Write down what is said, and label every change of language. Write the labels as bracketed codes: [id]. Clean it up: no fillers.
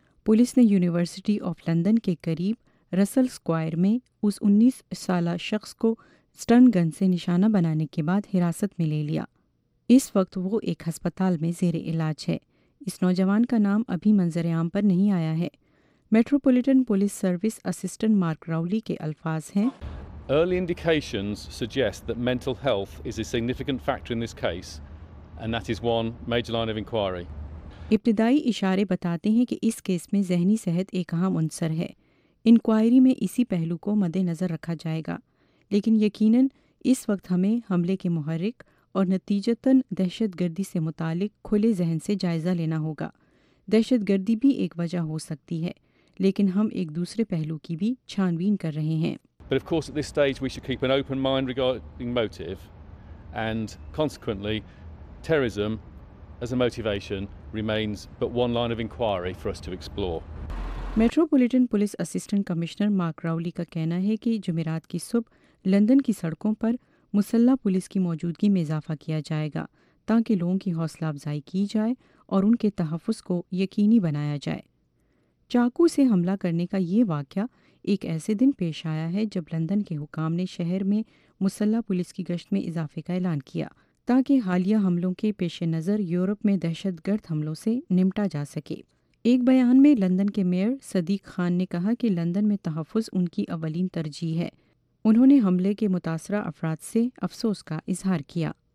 [ur] Police نے university of London کے قریب رسل اسکوائر میں اس 19 سالہ شخص کو سٹن گن سے نشانہ بنانے کے بعد حراست میں لے لیا. اس وقت وہ ایک ہسپتال میں زیر علاج ہے. اس نوجوان کا نام ابھی منظر عام پر نہیں آیا ہے. Metropolitan police service assistant mark راولی کے الفاظ ہیں، [en] Early indications suggest that mental health is a significant factor in this case and that is one major line of inquiry. [ur] ابتدائی اشارے بتاتے ہیں کہ اس کیس میں ذہنی صحت ایک اہم عنصر ہے. انکوائری میں اسی پہلو کو مد نظر رکھا جائے گا، لیکن یقیناً اس وقت ہمیں حملے کے محرک اور نتیجتاً دہشت گردی سے متعلق کھلے ذہن سے جائزہ لینا ہوگا. دہشت گردی بھی ایک وجہ ہو سکتی ہے، لیکن ہم ایک دوسرے پہلو کی بھی چھان بین کر رہے ہیں. [en] But of course at this stage we should keep an open mind regarding motive and consequently terrorism as a motivation remains but one line of inquiry for us to explore. [ur] Metropolitan police assistant commissioner mark راولی کا کہنا ہے کہ جمعرات کی صبح London کی سڑکوں پر مسلح پولیس کی موجودگی میں اضافہ کیا جائے گا تاکہ لوگوں کی حوصلہ افزائی کی جائے اور ان کے تحفظ کو یقینی بنایا جائے۔ چاقو سے حملہ کرنے کا یہ واقعہ ایک ایسے دن پیش آیا ہے جب لندن کے حکام نے شہر میں مسلح پولیس کی گشت میں اضافے کا اعلان کیا تاکہ حالیہ حملوں کے پیش نظر یورپ میں دہشت گرد حملوں سے نمٹا جا سکے۔ ایک بیان میں لندن کے میئر صدیق خان نے کہا کہ لندن میں تحفظ ان کی اولین ترجیح ہے۔ انہوں نے حملے کے متاثرہ افراد سے افسوس کا اظہار کیا۔